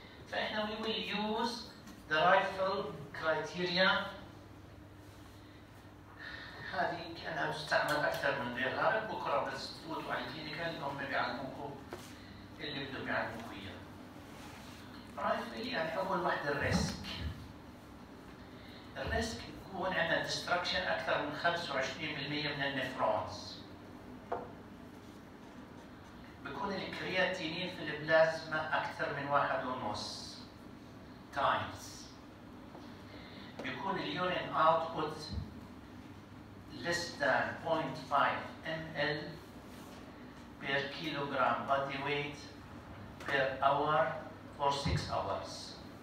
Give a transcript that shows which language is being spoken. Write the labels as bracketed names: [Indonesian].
[Arabic] فإحنا [English] we will use the rifle criteria. [Arabic] هذه كان أستعمل أكثر من غيرها. بكرة بس تفوتوا على الكلينيكا اللي هم بيعلموكم اللي بدهم يعلموكم إياه. rifle يعني أول واحدة الريسك. الريسك يكون عندنا destruction أكثر من 25% من النفرونز. بيكون الكرياتينين في البلازما أكثر من 1.5. [English] times. [Arabic] بيكون اليورين [English] output less than 0.5 ml per kilogram body weight per hour for 6 hours.